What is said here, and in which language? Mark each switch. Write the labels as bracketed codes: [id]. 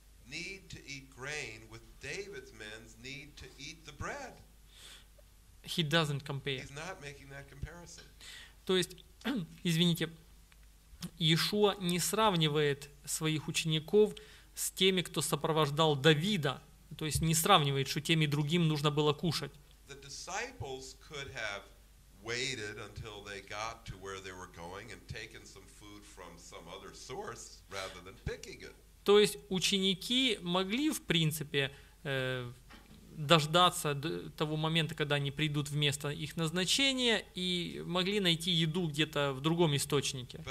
[en] Need to eat grain with David's men's need to eat the bread. He doesn't compare. He's not making that comparison. [ru] То есть, извините, Иешуа не сравнивает своих учеников с теми, кто сопровождал Давида. То есть не сравнивает, что тем и другим нужно было кушать. [en] The disciples could have waited until they got to where they were going and taken some food from some other source rather than picking it. [ru] То есть ученики могли, в принципе, дождаться того момента, когда они придут в место их назначения и могли найти еду где-то в другом источнике.